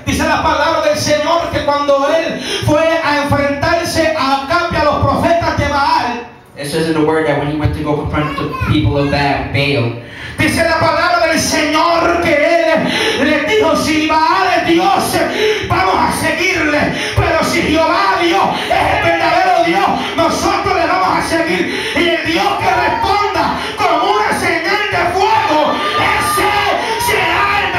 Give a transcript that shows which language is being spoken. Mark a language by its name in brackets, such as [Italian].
[Spanish] Dice la palabra del Señor que cuando él fue a enfrentarse a Acab y a los profetas de Baal. [English] It says in the word that when he went to go confront the people of Baal. [Spanish] Dice la palabra del Señor que él le dijo, si Baal es Dios, vamos a seguirle. Pero si Jehová Dios es el verdadero Dios, nosotros le vamos a seguir. Y el Dios que responda con una señal de fuego, ese será.